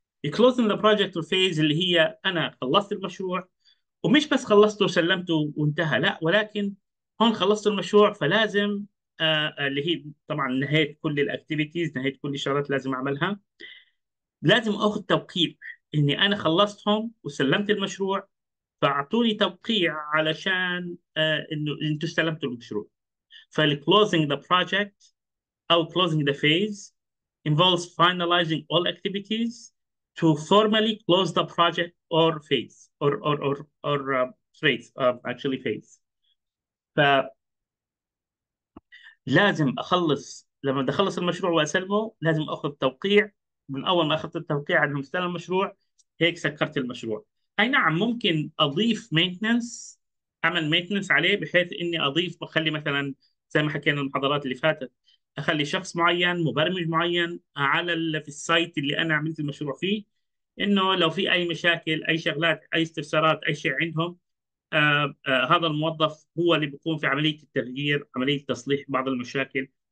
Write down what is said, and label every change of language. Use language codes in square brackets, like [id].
[en] Closing the project or phase [ar] اللي هي انا خلصت المشروع، ومش بس خلصته وسلمته وانتهى، لا، ولكن هون خلصت المشروع، فلازم اللي هي طبعا نهايه كل الاكتيفيتيز، نهايه كل الشغلات لازم اعملها، لازم اخذ توقيع اني انا خلصتهم وسلمت المشروع، فاعطوني توقيع علشان انه انتم استلمتوا المشروع. [en] فال closing the project او closing the phase involves finalizing all activities to formally close the project or phase or phase actually phase. [ar] ف لازم اخلص، لما بدي اخلص المشروع واسلمه لازم اخذ توقيع. من اول ما اخذت التوقيع انه مستلم المشروع، هيك سكرت المشروع. اي نعم، ممكن اضيف مينتنس، اعمل مينتنس عليه بحيث اني اضيف، بخلي مثلا زي ما حكينا المحاضرات اللي فاتت، اخلي شخص معين، مبرمج معين على في السايت اللي انا عملت المشروع فيه، انه لو في اي مشاكل، اي شغلات، اي استفسارات، اي شيء عندهم، هذا الموظف هو اللي بيقوم في عمليه التغيير، عمليه تصليح بعض المشاكل.